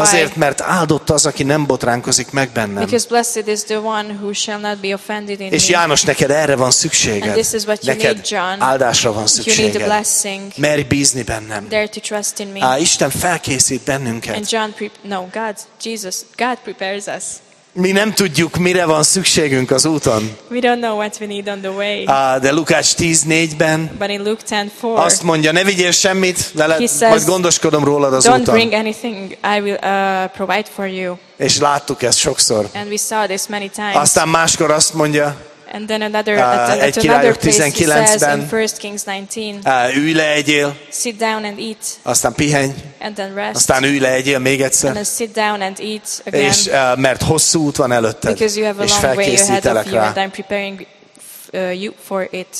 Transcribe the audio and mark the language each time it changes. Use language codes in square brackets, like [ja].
[hu] Azért, mert áldott az, aki nem botránkozik meg bennem. [en] Because blessed is the one who shall not be offended in me. [hu] És János, neked erre van szükséged. [en] And this is what you [hu] neked [en] need, John. [hu] Áldásra van szükséged. [en] You need a blessing. [hu] Merj bízni bennem. [en] Dare to trust in me. [hu] Isten felkészít bennünket. [en] And John, no, God, Jesus, God prepares us. [hu] Mi nem tudjuk, mire van szükségünk az úton. [en] We don't know what we need on the way. [hu] De Lukács 10:4-ben azt mondja, ne vigyél semmit, veled, [en] says, [hu] majd gondoskodom rólad az [en] don't [hu] úton. [en] Don't bring anything, I will provide for you. [hu] És láttuk ezt sokszor. [en] And we saw this many times. [hu] Aztán máskor azt mondja, [en] and then another, at [hu] Királyok 19-ben, ülj le, egyél, [en] sit down and eat. [hu] Aztán pihenj, [en] and then rest. [hu] Aztán ülj le, egyél még egyszer, [en] and then sit down and eat again. [hu] És mert hosszú út van előtted, [en] because you have a [hu] és [en] long [hu] felkészítelek [en] way ahead [hu] rá. [en] Of you, and I'm preparing you for it.